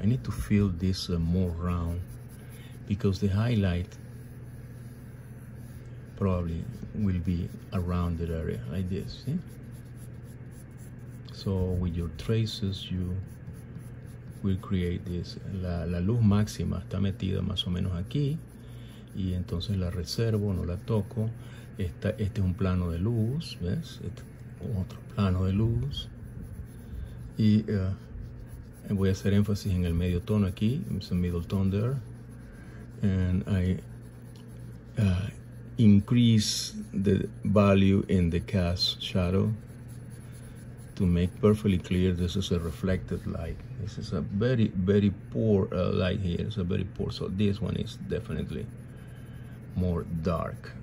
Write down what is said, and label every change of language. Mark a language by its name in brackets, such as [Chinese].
[English] I need to feel this more round because the highlight probably will be around the area like this. See? So with your traces, you will create this. [Spanish] La luz máxima está metida más o menos aquí, y entonces la reservo, no la toco. Este es un plano de luz, ¿ves? Otro plano de luz, y voy a hacer énfasis en el medio tono aquí. [English] It's a middle tone there, and I increase the value in the cast shadow to make perfectly clear this is a reflected light. This is a very, very poor light here. It's a very poor, so this one is definitely more dark.